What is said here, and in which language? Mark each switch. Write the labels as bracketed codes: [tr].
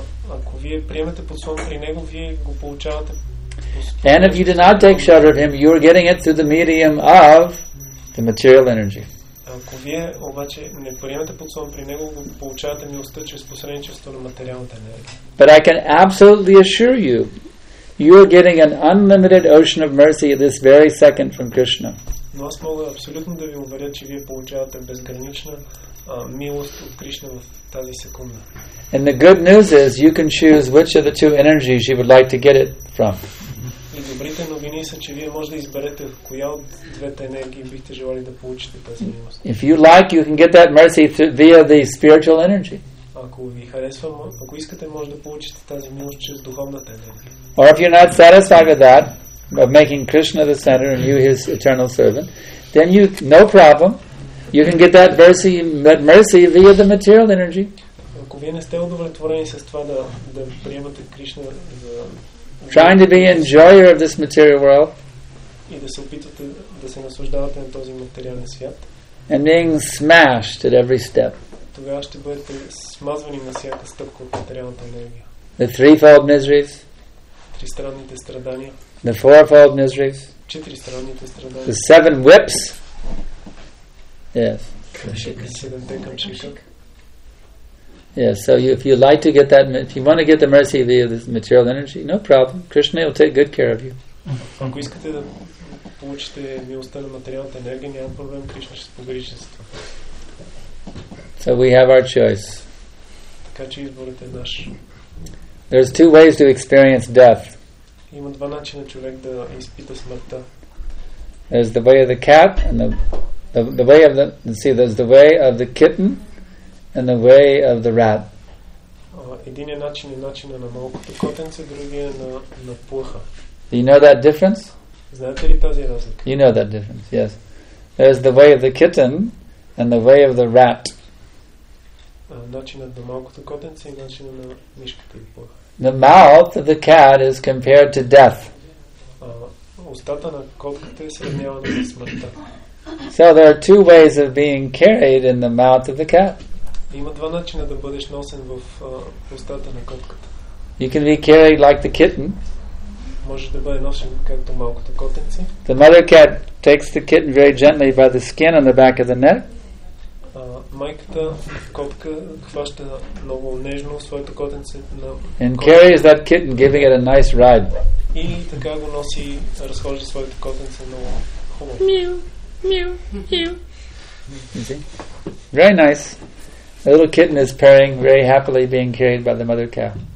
[bg] Ако вие приемете подслон при него, вие го получавате. [en] And if you do not take shelter of him, you're getting it through the medium of the material energy. [bg] Ако вие обаче не приемете подслон при него, го получавате милостта чрез посредничество на материалната енергия. [en] But I can absolutely assure you, you are getting an unlimited ocean of mercy at this very second from Krishna. [bg] Но аз мога абсолютно да ви уверя, че вие получавате безгранична милост от Кришна в тази секунда. [en] And the good news is you can choose which of the two energies you would like to get it from. [bg] И добрите новини са, че вие може да изберете коя от двете енергии бихте желали да получите тази милост. [en] If you like, you can get that mercy via the spiritual energy. [bg] Ако ви харесва, ако искате, може да получите тази милост чрез духовната енергия. [en] Or if you're not satisfied with that, of making Krishna the center and you his eternal servant, then you, no problem, you can get that mercy, via the material energy. [bg] Ако вие не сте удовлетворени с това да приемате Кришна за... [en] Trying to be enjoyer of this material world. [bg] И да се опитвате да се наслаждавате на този материален свят. [en] And being smashed at every step. [bg] Тогава ще бъдете смазвани на всяка стъпка от материалната енергия. [en] The threefold miseries. [bg] Тристранните страдания. [en] The fourfold miseries. [bg] Четиристранните страдания. [en] The seven whips. Yes. [bg] Седемте камшика. [en] Yes, so if you like to get that, if you want to get the mercy via this material energy, no problem. Krishna will take good care of you. [bg] Ако искате да получите милостта на материалната енергия, няма проблем, Кришна ще се погрижи за това. [en] So we have our choice. [bg] Така че изборът е наш. [en] There's two ways to experience death. [bg] Има два начина човек да изпита смъртта. [en] There's the way of the cat and the way of the kitten and the way of the rat. [bg] Единият начин е начина на малкото котенце, другия е на плъха. [en] Do you know that difference? [bg] Знаете ли тази разлика? [en] You know that difference, yes. There's the way of the kitten and the way of the rat. [bg] Начинът на малкото котенце и начина на мишката и плъха. [en] The mouth of the cat is compared to death. [bg] Устата на котката е сравнявана с смъртта. [en] So there are two ways of being carried in the mouth of the cat. [bg] Има два начина да бъдеш носен в устата на котката. [en] You can be carried like the kitten. [bg] Може да бъде носен както малкото котенце. [en] The mother cat takes the kitten very gently by the skin on the back of the neck. [bg] Майката котка хваща много нежно своето котенце на [en] And carries that kitten giving it a nice ride. [bg] И така го носи, разхожда своето котенце много хубаво. [en] Мяу. Meow, meow. You see? Very nice. The little kitten is purring very happily being carried by the mother cow.